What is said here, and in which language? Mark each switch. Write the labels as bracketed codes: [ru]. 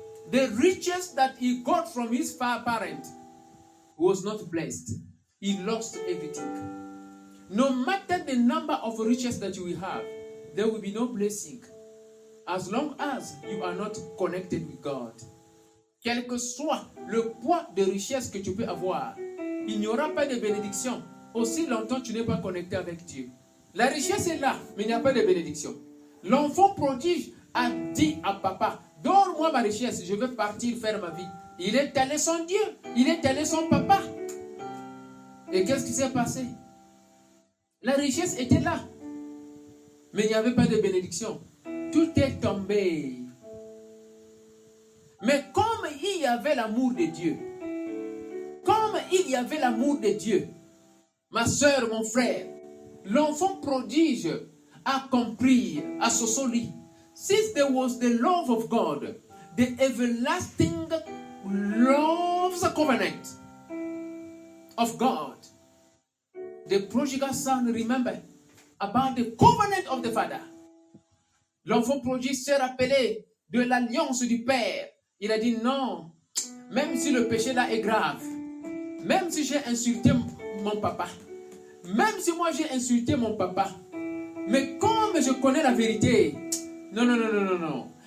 [en] The riches that he got from his parent was not blessed. He lost everything. No matter the number of riches that you will have, there will be no blessing as long as you are not connected with God. [fr] Quel que soit le poids de richesse que tu peux avoir, il n'y aura pas de bénédiction aussi longtemps que tu n'es pas connecté avec Dieu. La richesse est là, mais il n'y a pas de bénédiction. L'enfant prodige a dit à papa, « Donne-moi ma richesse, je veux partir faire ma vie. » Il est allé son Dieu, il est allé son papa. Et qu'est-ce qui s'est passé? La richesse était là, mais il n'y avait pas de bénédiction. Tout est tombé. Mais comme il y avait l'amour de Dieu, comme il y avait l'amour de Dieu, ma soeur, mon frère, l'enfant prodige a compris, a sosoli. [en] Since there was the love of God, the everlasting love's covenant of God, the prodigal son remembered about the covenant of the Father. [fr] L'enfant prodige s'est rappelé de l'alliance du Père. Il a dit non, même si le péché là est grave, même si j'ai insulté mon papa, même si moi j'ai insulté mon papa, mais comme je connais la vérité, non.